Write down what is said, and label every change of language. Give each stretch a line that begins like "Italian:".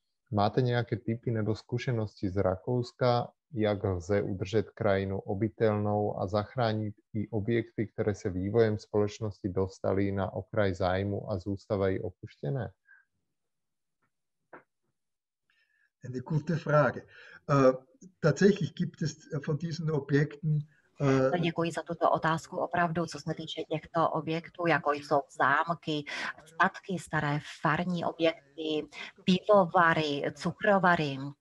Czech: Máte nějaké tipy nebo zkušenosti z Rakouska, jak lze udržet krajinu obytelnou a zachránit i objekty, které se vývojem společnosti dostaly na okraj zájmu a zůstávají opuštěné?
German: Eine gute Frage. Tatsächlich gibt es von diesen Objekten.
Czech: Děkuji za tuto otázku. Opravdu, co se týče těchto objektů, jako jsou zámky, statky, staré farní objekty, pivovary, cukrovary.